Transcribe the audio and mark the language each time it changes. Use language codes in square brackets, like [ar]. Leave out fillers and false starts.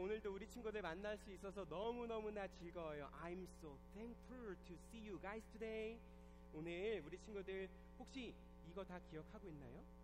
[ko] 오늘도 우리 친구들 만날 수 있어서 너무너무나 즐거워요. [en] I'm so thankful to see you guys today. [ko] 오늘 우리 친구들 혹시 이거 다 기억하고 있나요?